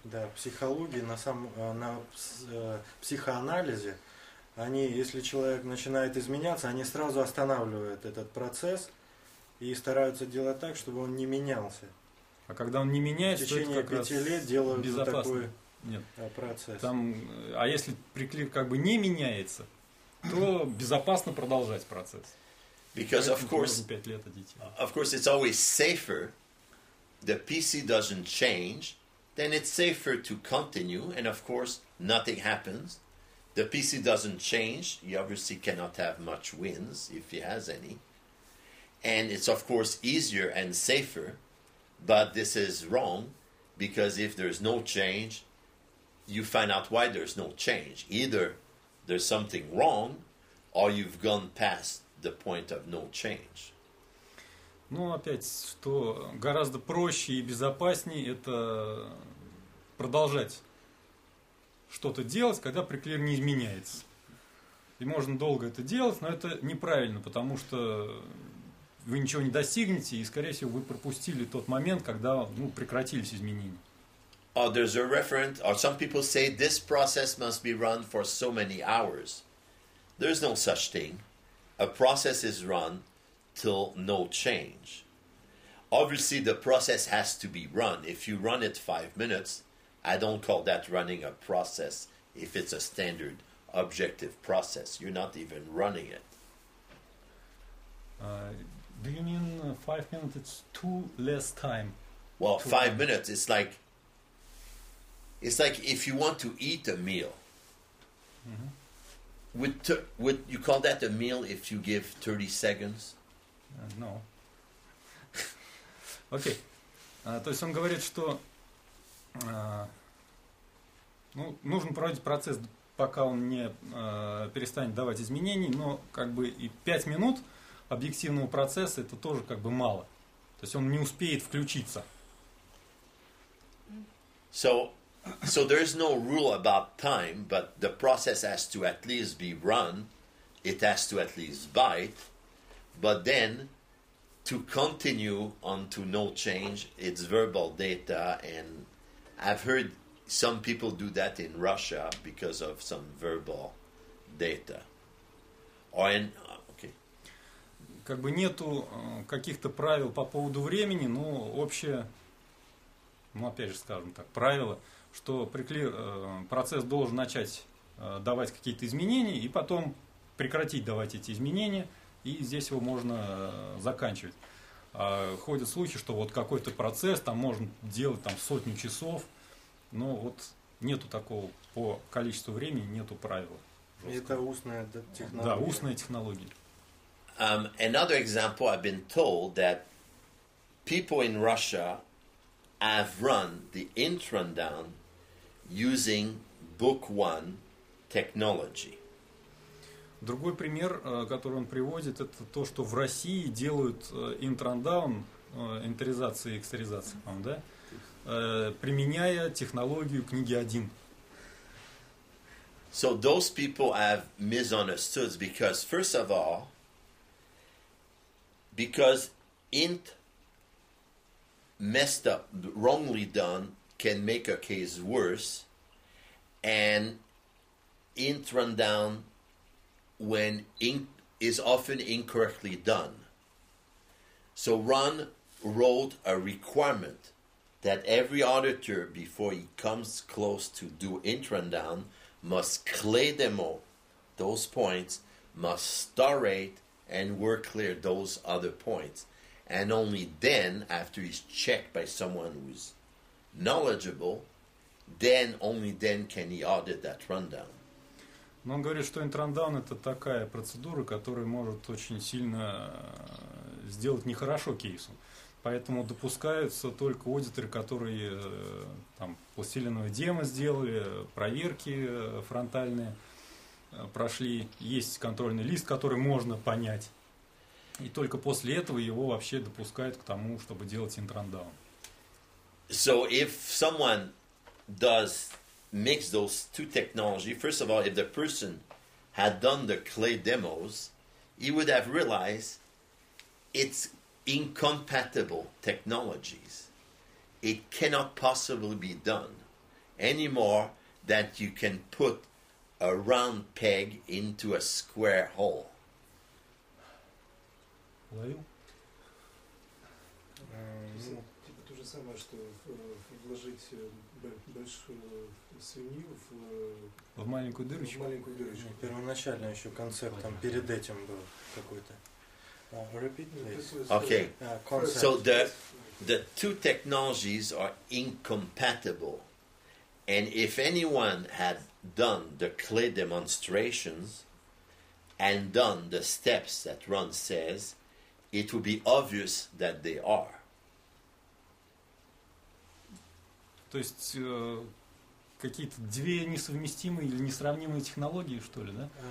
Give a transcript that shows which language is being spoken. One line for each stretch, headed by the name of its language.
Russian: Да, психологии на психоанализе, они, если человек начинает изменяться, они сразу останавливают этот процесс и стараются делать так, чтобы он не менялся. А когда он не меняется, в течение пяти лет делают безопасный процесс. Там, а если приклир как бы не меняется, то безопасно продолжать процесс.
English: Because of course,
Russian: 5 лет от детей.
English: Of course, it's always safer. The PC doesn't change, then it's safer to continue. And of course, nothing happens. The PC doesn't change. He obviously cannot have much wins if he has any. And it's of course easier and safer. But this is wrong, because if there's no change, you find out why there's no change. Either there's something wrong, or you've gone past the point of no change.
Russian: Ну, опять, что гораздо проще и безопаснее, это продолжать что-то делать, когда приклир не изменяется. И можно долго это делать, но это неправильно, потому что вы ничего не достигнете, и, скорее всего, вы пропустили тот момент, когда прекратились изменения.
English: Oh, there's a reference, or some people say this process must be run for so many hours. There's no such thing. A process is run till no change. Obviously, the process has to be run. If you run it 5 minutes, I don't call that running a process if it's a standard objective process. You're not even running it. Do you mean 5 minutes? It's too less time. Well, five minutes. It's like if you want to eat a meal. Mm-hmm. Would you call that a meal if you give 30 seconds? No. Okay.
Russian: То есть он говорит, что нужно проводить процесс, пока он не перестанет давать изменений, но как бы и 5 минут. Объективного процесса это тоже как бы мало. То есть он не успеет включиться.
English: So there is no rule about time, but the process has to at least be run, it has to at least bite, but then to continue on to no change, it's verbal data, and I've heard some people do that in Russia because of some verbal data. Or in, okay.
Russian: Как бы нету каких-то правил по поводу времени, но общее, ну опять же, скажем так, правило, что процесс должен начать давать какие-то изменения и потом прекратить давать эти изменения, и здесь его можно заканчивать. Ходят слухи, что вот какой-то процесс там можно делать там сотню часов, но вот нету такого по количеству времени, нету правила. Это устная технология. Да, устная технология.
English: Another example, I've been told that people in Russia have run the intrandown using book one technology.
Russian: Другой пример, который он приводит, это то, что в России делают интрандаун, интеризация и экстеризация, по-моему, да? Применяя технологию книги 1.
English: So those people have misunderstood because, first of all, because int messed up, wrongly done, can make a case worse, and int rundown when ink is often incorrectly done. So Ron wrote a requirement that every auditor before he comes close to do int rundown must clear them all, those points, must starate and work clear those other points. And only then, after he's checked by someone who's knowledgeable, then, only then can he audit that rundown.
Russian: Но он говорит, что интрандаун — это такая процедура, которая может очень сильно сделать нехорошо кейсу. Поэтому допускаются только аудиторы, которые там пластилиновое демо сделали, проверки фронтальные прошли, есть контрольный лист, который можно понять. И только после этого его вообще допускают к тому, чтобы делать интрандаун.
English: So if someone does mix those two technologies, first of all, if the person had done the clay demos, he would have realized it's incompatible technologies. It cannot possibly be done any more that you can put a round peg into a square hole.
Russian: Ловил? Ну, типа то же самое, что вложить большую свинью в маленькую дырочку. В маленькую дырочку. Ну, первоначально еще концепт там перед этим был какой-то.
English: Repeat, okay. So the two technologies are incompatible, and if anyone had done the clay demonstrations and done the steps that Ron says, it would be obvious that they are.
Russian: То есть какие-то две несовместимые или несравнимые технологии, что ли, да?